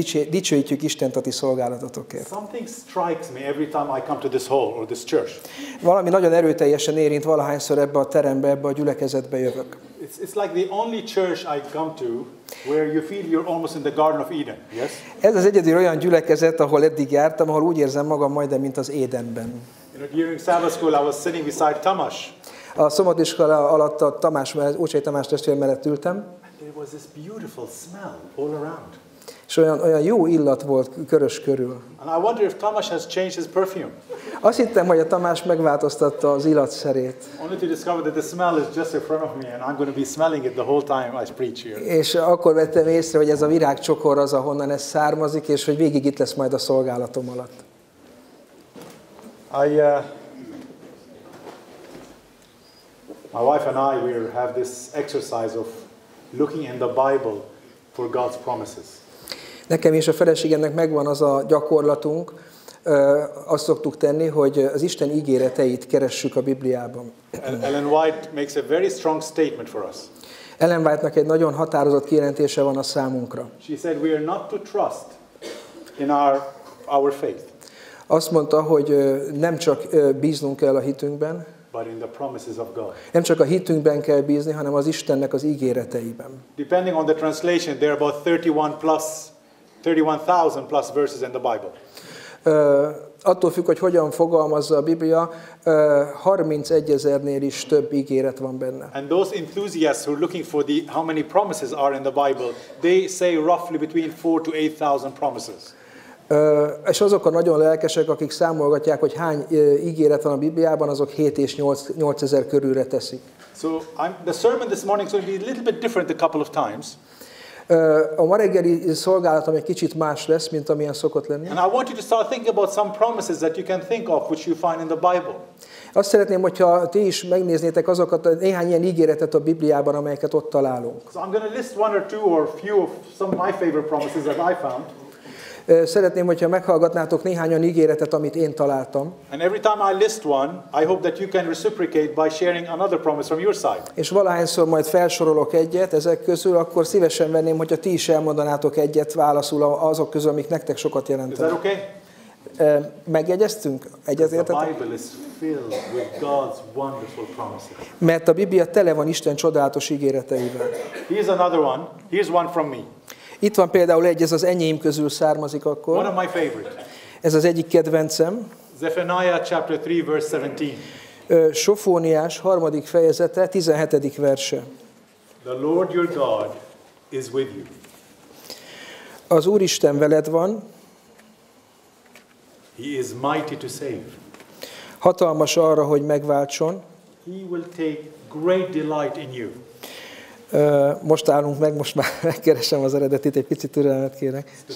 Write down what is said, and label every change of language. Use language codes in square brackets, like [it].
[hu] Dicsőítjük Istent a ti szolgálatotokért. [en] Something strikes me every time I come to this hall or this church. [hu] Valami nagyon erőteljesen érint valahányszor ebbe a terembe, ebbe a gyülekezetbe jövök. [en] It's like the only church I come to where you feel you're almost in the Garden of Eden, yes? [hu] Ez az egyedül olyan gyülekezet, ahol eddig jártam, ahol úgy érzem magam majdnem, mint az Édenben. [en] During Sabbath school I was sitting beside Tamás. [hu] A szombatiskola alatt a Tamás mellett, Ócsai Tamás testvér mellett ültem. [en] There was this beautiful smell all around. [hu] És olyan jó illat volt körös körül. [en] And I wonder if Tamás has changed his perfume. [hu] Azt hittem, hogy a Tamás megváltoztatta az illatszerét. [en] Only to discover that the smell is just in front of me and I'm going to be smelling it the whole time I preach here. [hu] És akkor vettem észre, hogy ez a virágcsokor az, ahonnan ez származik, és hogy végig itt lesz majd a szolgálatom alatt. [en] My wife and I will have this exercise of looking in the Bible for God's promises. [hu] Nekem és a feleségemnek megvan az a gyakorlatunk, azt szoktuk tenni, hogy az Isten ígéreteit keressük a Bibliában. [en] Ellen White makes a very strong statement for us. [hu] Ellen White-nak egy nagyon határozott kijelentése van a számunkra. [en] She said we are not to trust in our faith. [hu] Azt mondta, hogy nem csak bíznunk kell a hitünkben, [en] but in the promises of God. [hu] Nem csak a hitünkben kell bízni, hanem az Istennek az ígéreteiben. [en] Depending on the translation, there are about 31,000 plus verses in the Bible. [hu] Attól függ, hogy hogyan fogalmazza a Biblia, 31,000-nél is több ígéret van benne. [en] And those enthusiasts who are looking for the how many promises are in the Bible, they say roughly between 4,000 to 8,000 promises. [hu] És azok a nagyon lelkesek, akik számolgatják, hogy hány ígéret van a Bibliában, azok 7 és 8 ezer körülre teszik. [en] So the sermon this morning is going to be a little bit different a couple of times. [hu] A ma reggeli szolgálatom egy kicsit más lesz, mint amilyen szokott lenni. [en] And I want you to start thinking about some promises that you can think of, which you find in the Bible. [hu] Azt szeretném, hogyha ti is megnéznétek azokat a néhány ilyen ígéretet a Bibliában, amelyeket ott találunk. [en] So I'm going to list one or two or few of some of my favorite promises that I found. [hu] Szeretném, hogyha meghallgatnátok néhány olyan ígéretet, amit én találtam. [en] And every time I list one, I hope that you can reciprocate by sharing another promise from your side. [hu] És valahányszor majd felsorolok egyet ezek közül, akkor szívesen venném, hogyha ti is elmondanátok egyet válaszul azok közül, amik nektek sokat jelentenek. [en] Is that okay? [hu] Megjegyeztünk? Egyetértetek? [en] The Bible is filled with God's wonderful promises. [hu] Mert a Biblia tele van Isten csodálatos ígéreteivel. [en] Here's another one. Here's one from me. [hu] Itt van például egy, ez az enyém közül származik akkor. [en] One of my favorite. [hu] Ez az egyik kedvencem. [en] Zephaniah chapter 3 verse 17. [hu] Sofóniás harmadik fejezete 17. [en] verse. The Lord your God is with you. [hu] Az Úristen veled van. [en] He is mighty to save. [hu] Hatalmas arra, hogy megváltson. [en] He will take great delight in you. [hu] Most állunk meg, most már megkeresem az eredetét, egy picit türelmet kérek.